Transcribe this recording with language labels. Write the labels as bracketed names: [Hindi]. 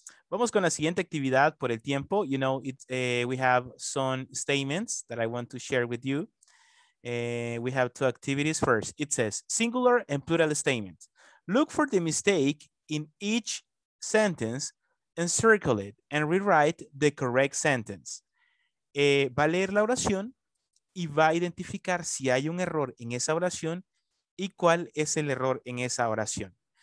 [Spanish] Vamos con la siguiente actividad por el tiempo. [English] You know, we have some statements that I want to share with you. We have two activities first. It says singular and plural statements. Look for the mistake in each sentence, encircle it, and rewrite the correct sentence. [Spanish] Va a leer la oración y va a identificar si hay un error en esa oración y cuál es el error en esa oración.